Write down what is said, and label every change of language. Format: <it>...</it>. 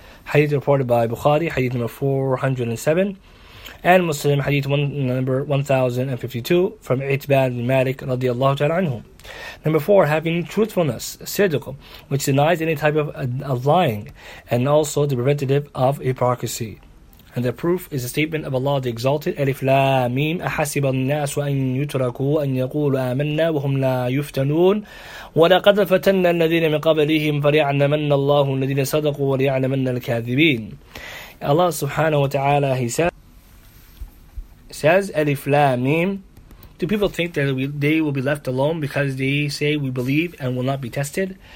<en>Hadith reported by Bukhari, Hadith number 407, and Muslim, Hadith number 1052 from Itban bin Malik radiyallahu ta'ala anhu. Number 4, having truthfulness, sidq, which denies any type of lying, and also the preventative of hypocrisy. And the proof is a statement of Allah the Exalted, Alif Lam Mim,</en> <ar>أَحَسِبَ النَّاسُ أَن يُتْرَكُوا أَن يَقُولُوا آمَنَّا وَهُمْ لَا يُفْتَنُونَ وَلَقَدْ فَتَنَّا الَّذِينَ مِنْ قَبْلِهِمْ فَلْيَعْلَمَنَّ اللَّهُ الَّذِينَ صَدَقُوا وَلْيَعْلَمَنَّ الْكَاذِبِينَ.</ar> <en>Allah subhanahu wa ta'ala, He says, Alif Lam Mim, do people think that they will be left alone because they say we believe and will not be tested?</en>